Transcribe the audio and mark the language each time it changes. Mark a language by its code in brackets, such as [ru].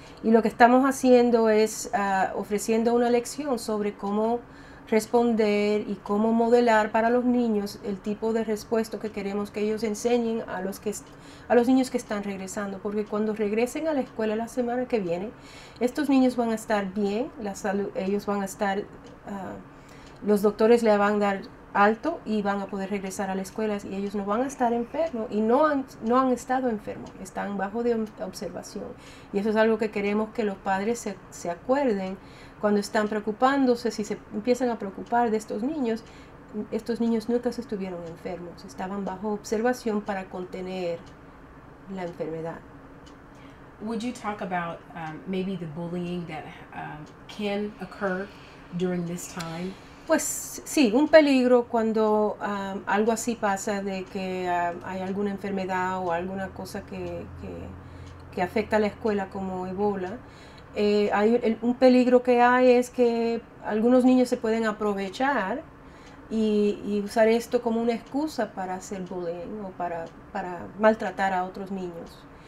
[es] Y lo que estamos haciendo es ofreciendo una lección sobre cómo responder y cómo modelar para los niños el tipo de respuesta que queremos que ellos enseñen a los niños que están regresando, porque cuando regresen a la escuela la semana que viene, estos niños van a estar bien, la salud, ellos van a estar, los doctores le van a dar alto y van a poder regresar a la escuela, y ellos no van a estar enfermos, y no han estado enfermos, están bajo de observación. Y eso es algo que queremos que los padres se acuerden cuando están preocupándose. Si se empiezan a preocupar de estos niños nunca se estuvieron enfermos, estaban bajo observación para contener la enfermedad. [en] Would you talk about maybe the bullying that can occur during this time? [es] Pues sí, un peligro cuando algo así pasa, de que hay alguna enfermedad o alguna cosa que afecta a la escuela como Ebola. Un peligro que hay es que algunos niños se pueden aprovechar y usar esto como una excusa para hacer bullying o para maltratar a otros niños.